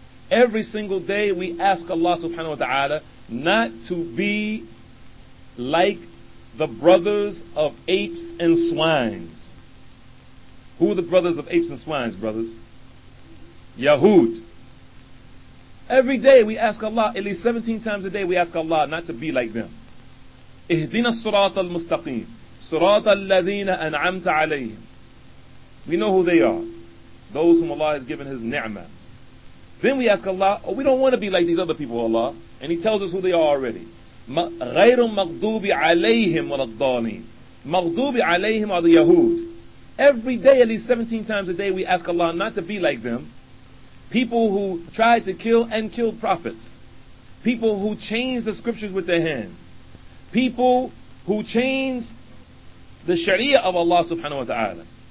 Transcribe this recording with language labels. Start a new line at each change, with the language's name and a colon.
English: Every single day we ask Allah subhanahu wa ta'ala not to be like the brothers of apes and swines. Who are the brothers of apes and swines, brothers? Yahud. Every day we ask Allah, at least 17 times a day we ask Allah not to be like them.
Arabic: اهدنا الصراط المستقيم صراط الذين أنعمت عليهم.
English: We know who they are, those whom Allah has given His ni'mah. Then we ask Allah, oh, we don't want to be like these other people, Allah. And He tells us who they are already.
Arabic: غير مغضوب عليهم ولا الضالين. مغضوب عليهم
English: are the Yahud. Every day, at least 17 times a day, we ask Allah not to be like them. People who tried to kill and killed prophets. People who changed the scriptures with their hands. People who changed the sharia of Allah subhanahu wa ta'ala.